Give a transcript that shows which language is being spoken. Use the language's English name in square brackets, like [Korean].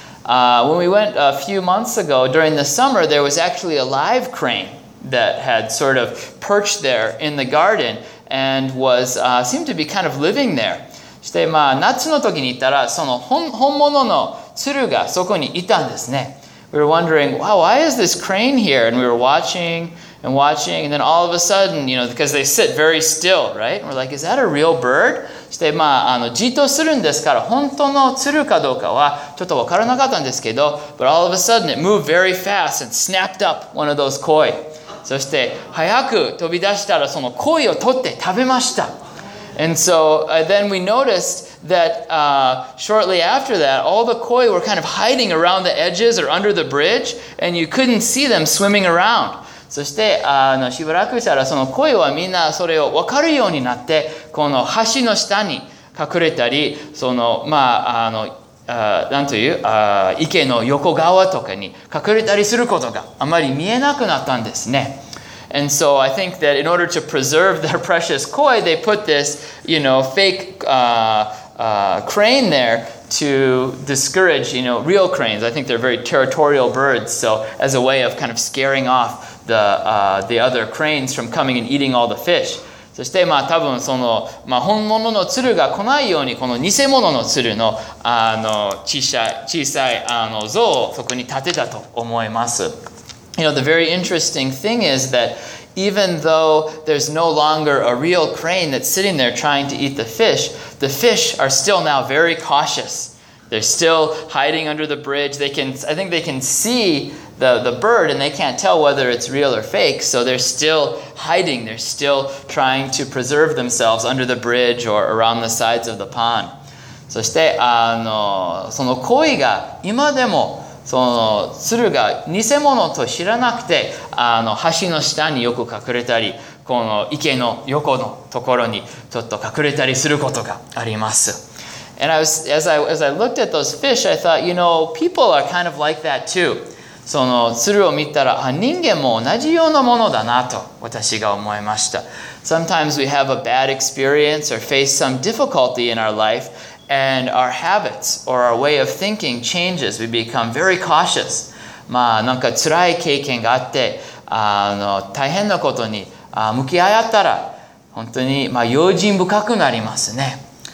[English] When we went a few months ago during the summer, there was actually a live crane. That had sort of perched there in the garden and was seemed to be kind of living there. [Japanese] してまあ夏の時に行ったらその本物の鶴がそこにいたんですね。 [English] We were wondering, wow, why is this crane here? And we were watching, and then all of a sudden, you know, because they sit very still, right? And we're like, is that a real bird? [Japanese] して、まあ、じっとするんですから、本当の鶴かどうかはちょっと分からなかったんですけど、 [English] But all of a sudden it moved very fast and snapped up one of those koi. [Japanese] そして、早く飛び出したらその koi を取って食べました。 [English] And so, then we noticed that shortly after that, all the koi were kind of hiding around the edges or under the bridge, and you couldn't see them swimming around. [Japanese] そして、しばらくしたらその koi はみんなそれを分かるようになって、この橋の下に隠れたり、その、まあ、なんという、池の横側とかに隠れたりすることがあまり見えなくなったんですね。 [English] And so I think that in order to preserve their precious koi, they put this, you know, fake crane there to discourage, you know, real cranes. I think they're very territorial birds, so as a way of kind of scaring off the other cranes from coming and eating all the fish. [Japanese] そしてまあ多分そのまあ本物の鶴が来ないようにこの偽物の鶴のあの小さいあの像をそこに建てたと思います。 [English] You know, the very interesting thing is that even though there's no longer a real crane that's sitting there trying to eat the fish are still now very cautious. They're still hiding under the bridge. I think they can see the bird and they can't tell whether it's real or fake. So they're still hiding. They're still trying to preserve themselves under the bridge or around the sides of the pond. [Japanese] そしてあのその鯉が今でもその鶴が偽物と知らなくてあの橋の下によく隠れたりこの池の横のところにちょっと隠れたりすることがあります。 [English] And as I looked at those fish, I thought, you know, people are kind of like that too. [Japanese] その鶴を見たら、あ、人間も同じようなものだなと私が思いました。 [English] Sometimes we have a bad experience or face some difficulty in our life. And our habits or our way of thinking changes. We become very cautious. [Japanese] まあなんか辛い経験があって、あの大変なことに向き合ったら、本当にまあ用心深くなりますね。